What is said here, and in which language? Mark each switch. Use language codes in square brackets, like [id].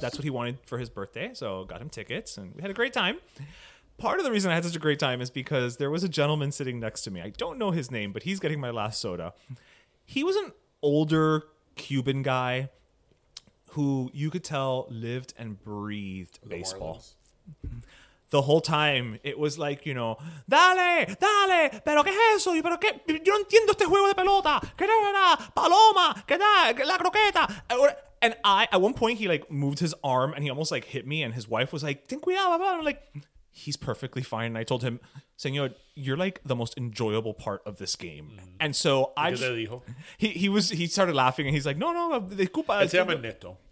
[en] That's what he wanted for his birthday. So got him tickets and we had a great time. Part of the reason I had such a great time is because there was a gentleman sitting next to me. I don't know his name, but he's getting my last soda. He was an older Cuban guy who you could tell lived and breathed baseball. Marlins. [es] the whole time, it was like, you know, dale, dale, pero qué es eso, pero qué, yo entiendo este juego de pelota, que da, da, paloma, que da, la croqueta. [en] And I, at one point, he like moved his arm and he almost like hit me, and his wife was like, ten cuidado, blah, blah. I'm like, he's perfectly fine. And I told him, señor, you're like the most enjoyable part of this game. Mm-hmm. And so I just, he started laughing and he's like, no, no, disculpa. [es] Se llama Neto.